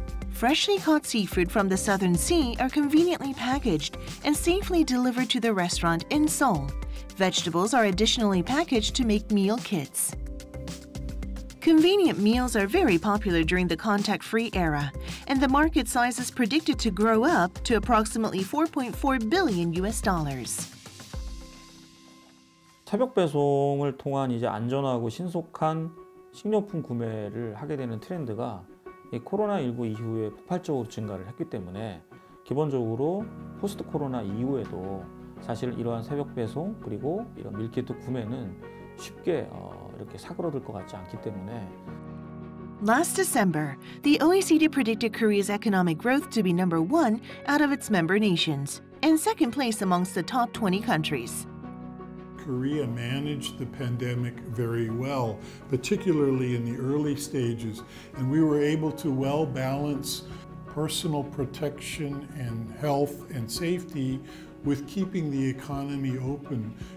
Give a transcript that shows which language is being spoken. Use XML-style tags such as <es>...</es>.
<en>Freshly caught seafood from the Southern Sea are conveniently packaged and safely delivered to the restaurant in Seoul. Vegetables are additionally packaged to make meal kits. Convenient meals are very popular during the contact-free era, and the market size is predicted to grow up to approximately $4.4 billion.</en> <ko>새벽 배송을 통한 이제 안전하고 신속한 식료품 구매를 하게 되는 트렌드가 이 코로나19 이후에 폭발적으로 증가를 했기 때문에 기본적으로 포스트 코로나 이후에도 사실 이러한 새벽 배송 그리고 이런 밀키트 구매는 쉽게 이렇게 사그러들 것 같지 않기 때문에</ko> <en>Last December, the OECD predicted Korea's economic growth to be number one out of its member nations and second place amongst the top 20 countries. Korea managed the pandemic very well, particularly in the early stages, and we were able to well balance personal protection and health and safety with keeping the economy open.</en>